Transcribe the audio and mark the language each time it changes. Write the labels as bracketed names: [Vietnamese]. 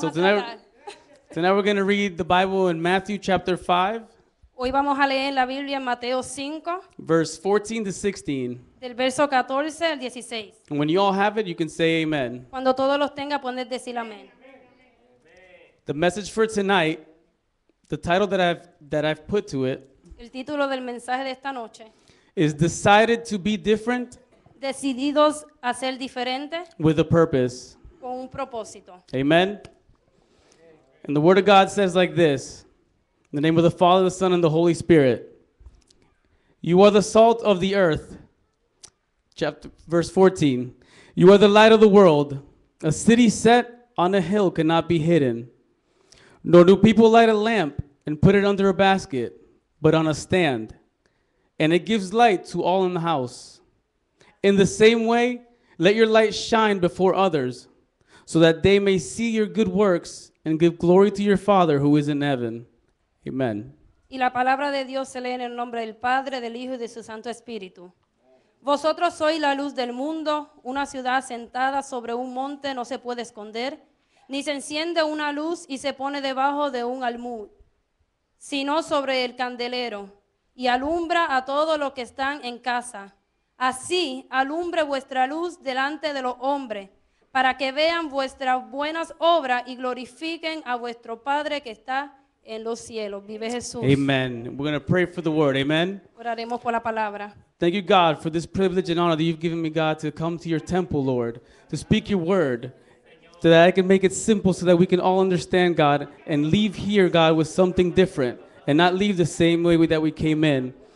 [English] So tonight we're going to read the Bible in Matthew chapter 5. [Spanish] Hoy vamos a leer la Biblia en Mateo 5. [English] Verse 14 to 16. [Spanish] Del verso 14 al 16. [English] And when you all have it, you can say amen. [Spanish] Cuando todos los tenga, puedes decir amén. [English] The message for tonight, the title that I've put to it, [Spanish] el título del mensaje de esta noche, [English] is decided to be different. [Spanish] decididos a ser diferente. [English] With a purpose. [Spanish] Con un propósito. [English] Amen. And the word of God says like this. In the name of the Father, the Son, and the Holy Spirit. You are the salt of the earth. Verse 14. You are the light of the world. A city set on a hill cannot be hidden. Nor do people light a lamp and put it under a basket, but on a stand. And it gives light to all in the house. In the same way, let your light shine before others, so that they may see your good works and give glory to your Father who is in heaven. Amen. [Spanish] Y la palabra de Dios se lee en el nombre del Padre, del Hijo y de su Santo Espíritu. Vosotros sois la luz del mundo. Una ciudad sentada sobre un monte no se puede esconder, ni se enciende una luz y se pone debajo de un almud, sino sobre el candelero, y alumbra a todos los que están en casa. Así alumbre vuestra luz delante de los hombres, para que vean vuestras buenas obras y glorifiquen a vuestro Padre que está en los cielos. Vive Jesús. [English] Amen. We're going to pray for the word. Amen. [Spanish] Oraremos por la palabra. [English] Thank you, God, for this privilege and honor that you've given me, God, to come to your temple, Lord, to speak your word, so that I can make it simple so that we can all understand, God, and leave here, God, with something different and not leave the same way that we came in.